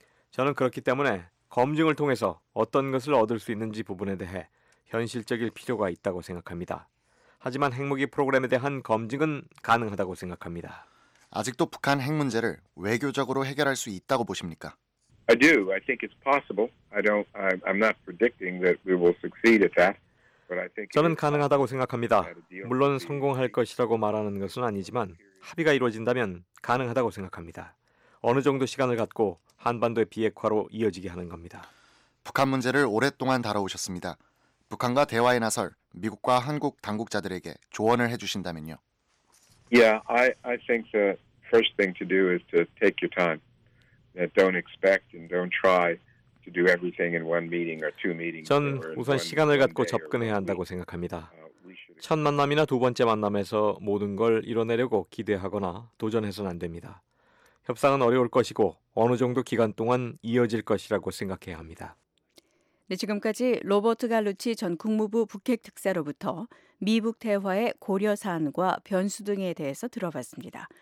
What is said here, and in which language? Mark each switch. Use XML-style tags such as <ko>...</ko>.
<ko>저는 그렇기 때문에 검증을 통해서 어떤 것을 얻을 수 있는지 부분에 대해 현실적일 필요가 있다고 생각합니다. 하지만 핵무기 프로그램에 대한 검증은 가능하다고 생각합니다. 아직도 북한 핵 문제를 외교적으로 해결할 수 있다고 보십니까?</ko> <en>I do. I think it's possible. I'm not predicting that we will succeed at that. But I think</en> <ko>저는 가능하다고 생각합니다. 물론 성공할 것이라고 말하는 것은 아니지만 합의가 이루어진다면 가능하다고 생각합니다. 어느 정도 시간을 갖고 한반도의 비핵화로 이어지게 하는 겁니다. 북한 문제를 오랫동안 다뤄오셨습니다. 북한과 대화에 나설 미국과 한국 당국자들에게 조언을 해주신다면요.</ko> <en>Yeah, I think the first thing to do is to take your time. Don't expect and don't try to do everything in one meeting or two meetings.</en> <ko>전 우선 시간을 갖고 접근해야 한다고 생각합니다. 첫 만남이나 두 번째 만남에서 모든 걸 이뤄내려고 기대하거나 도전해서는 안 됩니다. 협상은 어려울 것이고 어느 정도 기간 동안 이어질 것이라고 생각해야 합니다. 네, 지금까지 로버트 갈루치 전 국무부 북핵특사로부터 미북 대화의 고려 사안과 변수 등에 대해서 들어봤습니다.</ko>